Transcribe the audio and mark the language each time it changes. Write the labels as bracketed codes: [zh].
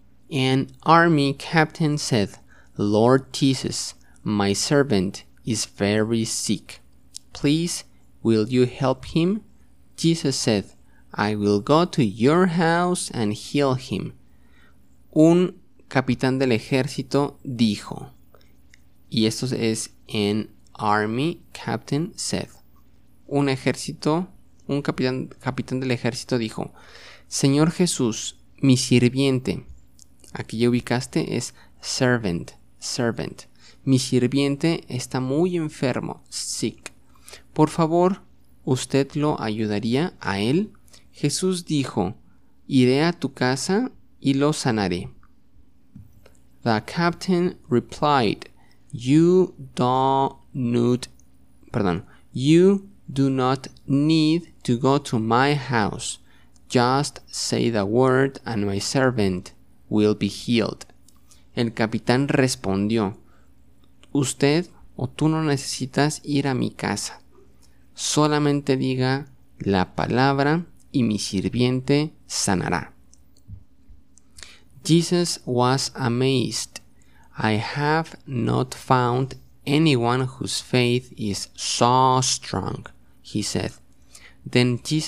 [en] An army captain said, Lord Jesus, my servant is very sick. Please, will you help him? Jesus said, I will go to your house and heal him. [es] Un capitán del ejército dijo, y esto es [en] an army captain said. [es] Un capitán del ejército dijo, Señor Jesús, mi sirviente, aquí ya ubicaste, es servant, servant. Mi sirviente está muy enfermo, sick. Por favor, ¿usted lo ayudaría a él? Jesús dijo, iré a tu casa y lo sanaré. [en] The captain replied, You do not need to go to my house. Just say the word and my servant will be healed. [es] El capitán respondió, usted o tú no necesitas ir a mi casa. Solamente diga la palabra y mi sirviente sanará. [en] Jesus was amazed. I have not found anyone whose faith is so strong, he said. Then